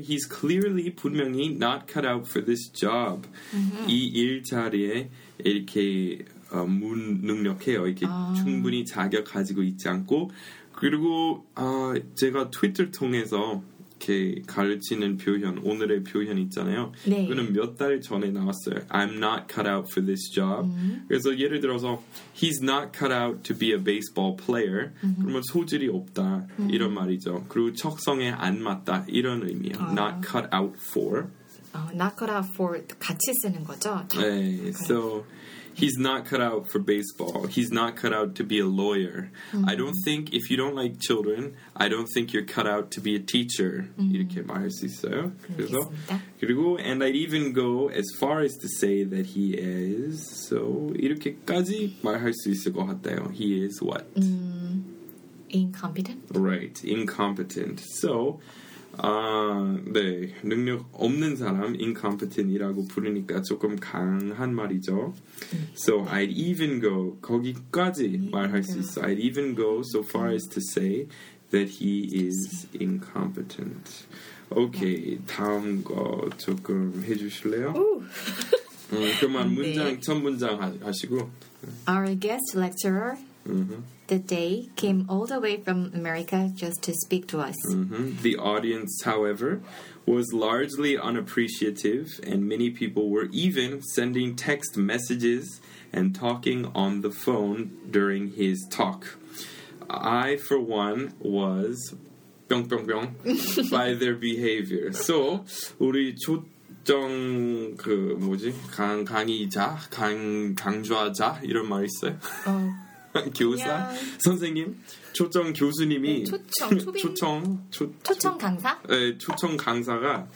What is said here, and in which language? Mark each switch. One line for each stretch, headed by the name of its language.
English: He's clearly, 분명히, not cut out for this job.
Korean: 이 일자리에 이렇게 무능력해요. 이렇게 충분히 자격 가지고 있지 않고. 그리고 제가 트위터 통해서 이렇게 가르치는 표현, 오늘의 표현 있잖아요. 네. 그거는 몇 달 전에 나왔어요.
English: I'm not cut out for this job.
Korean: 그래서 예를 들어서
English: He's not cut out to be a baseball player.
Korean: 그러면 소질이 없다. 이런 말이죠. 그리고 적성에 안 맞다. 이런 의미예요.
English: Not cut out for. Not cut out for
Korean: 같이 쓰는 거죠.
English: 네. So he's not cut out for baseball. He's not cut out to be a lawyer. I don't think if you don't like children, I don't think you're cut out to be a teacher.
Korean: 이렇게 말할 수 있어요. 그리고
English: and I'd even go as far as to say that he is.
Korean: So 이렇게까지 말할 수 있을 것 같아요.
English: He is what? Incompetent. Right. Incompetent. So.
Korean: 네, 능력 없는 사람 incompetent이라고 부르니까 조금 강한 말이죠.
English: So I'd even go
Korean: 거기까지 말할 수 있어.
English: I'd even go so far as to say that he is incompetent.
Korean: Okay, 다음 거 조금 해주실래요? 그만 문장 첫 문장 하시고.
English: Our guest lecturer. The day came all the way from America just to speak to us. The audience, however, was largely unappreciative, and many people were even sending text messages and talking on the phone during his talk. I, for one, was bong bong bong by their behavior.
Korean: So, 우리 초 정 그 뭐지 강 강의자 강 강좌자 이런 말 있어요. 교사 그냥... 선생님 초청 교수님이 초청 강사 네 초청 강사가